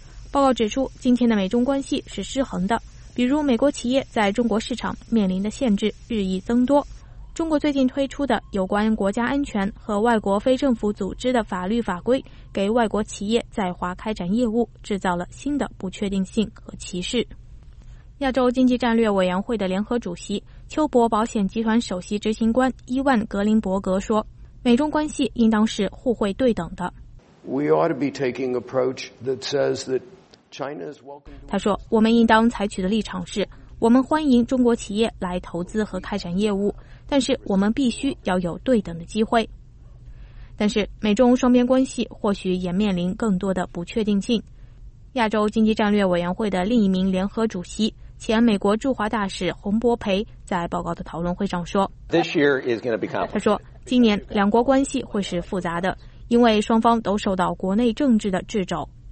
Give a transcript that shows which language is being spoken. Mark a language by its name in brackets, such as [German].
[Chinese] 报告指出，今天的美中关系是失衡的，比如美国企业在中国市场面临的限制日益增多，中国最近推出的有关国家安全和外国非政府组织的法律法规，给外国企业在华开展业务制造了新的不确定性和歧视。亚洲经济战略委员会的联合主席、丘博保险集团首席执行官伊万·格林伯格说，美中关系应当是互惠对等的。 [English] We ought to be taking an approach that says that China is welcome. [Chinese] 他说，我们应当采取的立场是，我们欢迎中国企业来投资和开展业务，但是我们必须要有对等的机会。但是美中双边关系或许也面临更多的不确定性。亚洲经济战略委员会的另一名联合主席、前美国驻华大使洪博培在报告的讨论会上说，他说今年两国关系会是复杂的，因为双方都受到国内政治的掣肘。